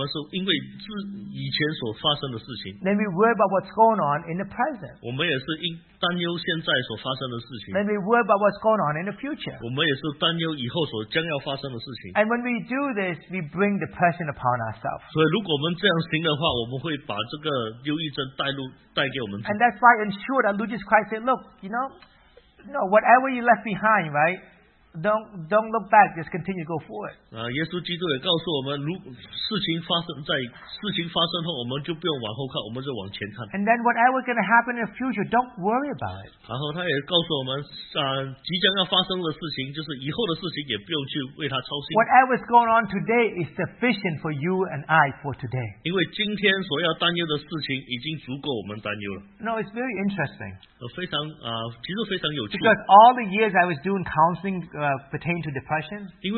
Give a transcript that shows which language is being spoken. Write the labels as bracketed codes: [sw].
[zh] 所以如果我们从圣经来看这个忧郁症呢，我们是因为以前所发生的事情。 [en] Then we worry about what's going on in the present. [zh] 我们也是担忧现在所发生的事情。 [en] Then we worry about what's going on in the future. [zh] 我们也是担忧以后所将要发生的事情。 [en] And when we do this, we bring depression upon ourselves. [zh] 所以如果我们这样行的话，我们会把这个忧郁症带给我们自己。 [en] And that's why in short, our Lord Jesus Christ said, look, you know, no, whatever you left behind, right? Don't look back, just continue to go forward. [zh] 耶稣基督也告诉我们，如事情发生后，我们就不用往后看，我们就往前看。 [en] And then whatever going to happen in the future, don't worry about it. [zh] 然后他也告诉我们，即将要发生的事情，就是以后的事情，也不用去为他操心。 [en] Whatever is going on today is sufficient for you and I for today. [zh] 因为今天所要担忧的事情，已经足够我们担忧了。 [en] No, it's very interesting. [zh] 非常，其实非常有趣。 [en] Because all the years I was doing counseling, pertain to depression.